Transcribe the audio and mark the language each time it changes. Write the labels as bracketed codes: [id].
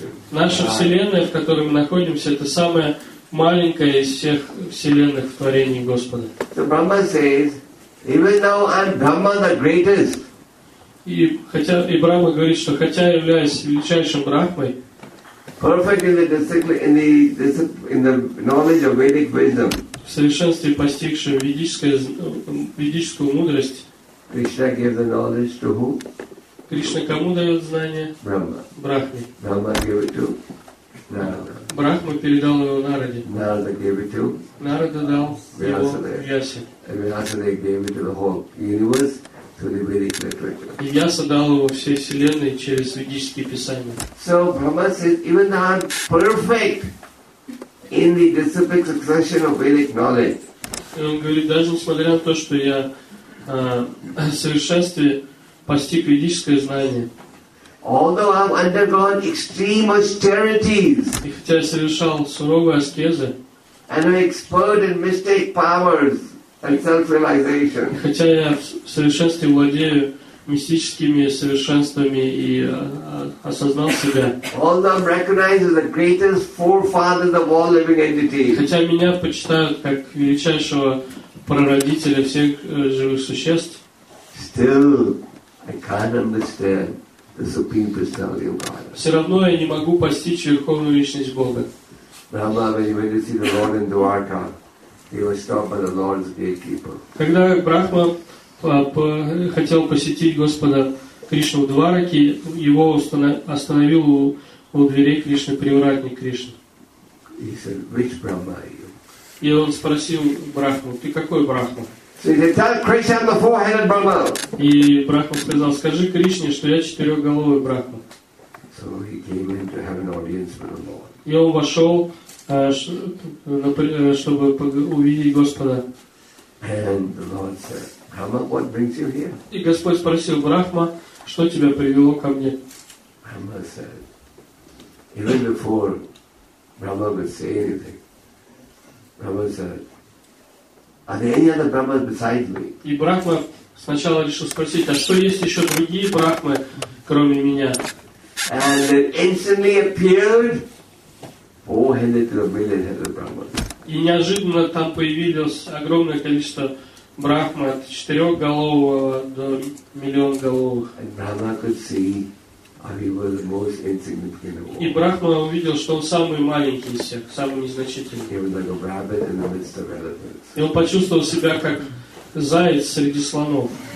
[ru] Наша Вселенная, в которой мы находимся, это самая маленькая из всех Вселенных творений Господа. И Брахма говорит, что хотя я являюсь величайшим Брахмой, [en] perfect in the discipline, in the knowledge of Vedic wisdom. [ru] В совершенстве постигшем ведическую мудрость. [en] Krishna gives the knowledge to who? [ru] Кришна кому дает знания? [en] Brahma. [ru] Брахме. [en] Brahma gave it to Narada. [ru] Брахма передал его Нараде. [en] Narada gave it to. [ru] Нарада дал его [en] Вьясе. Вьяса gave it to the whole universe. [ru] И Вьяса дал его всей Вселенной через ведические писания. [en] So Brahma says, even though I'm perfect in the disciplic succession of Vedic knowledge. [ru] И он говорит, даже несмотря на то, что я в совершенстве постиг ведическое знание. [en] Although I've undergone extreme austerities. [ru] И хотя я совершал суровые аскезы. [en] And I'm expert in mystic powers. [ru] И хотя я в совершенстве владею мистическими совершенствами и осознал себя. [en] Although recognized as the greatest forefather of all living entities. [ru] Хотя меня почитают как величайшего прародителя всех живых существ. [en] Still, I can't understand the supreme personality of God. [ru] Все равно я не могу постичь верховную личность Бога. [en] Brahma, when you went to see the Lord in Dwarka. He was stopped by the Lord's gatekeeper. [ru] Когда Брахма хотел посетить Господа Кришну в Двараке, его остановил у дверей Кришны привратник Кришны. [en] He said, "Which Brahma are you?" [ru] И он спросил Брахму, "Ты какой Брахма?" [en] So he said, "Tell Krishna I'm the four-headed Brahma." [ru] И Брахма сказал, "Скажи Кришне, что я четырехголовый Брахма." [en] So he came in to have an audience with the Lord. [ru] И он вошел, чтобы увидеть Господа. [en] And the Lord said, Brahma, what brings you here? [ru] И Господь спросил Брахма, что тебя привело ко мне? [en] Brahma said, even before Brahma would say anything, Brahma said, are there any other Brahmas besides me? [ru] И Брахма сначала решил спросить, а что есть еще другие Брахмы, кроме меня? [en] And it instantly appeared. Four-headed to a million-headed Brahma. [ru] И неожиданно там появилось огромное количество брахма от четырехголового до миллионголовых. [en] And Brahma could see how he was the most insignificant of all. [ru] И брахма увидел, что он самый маленький из всех, самый незначительный. [en] He was like a rabbit in the midst of elephants. [ru] И он почувствовал себя как заяц среди слонов.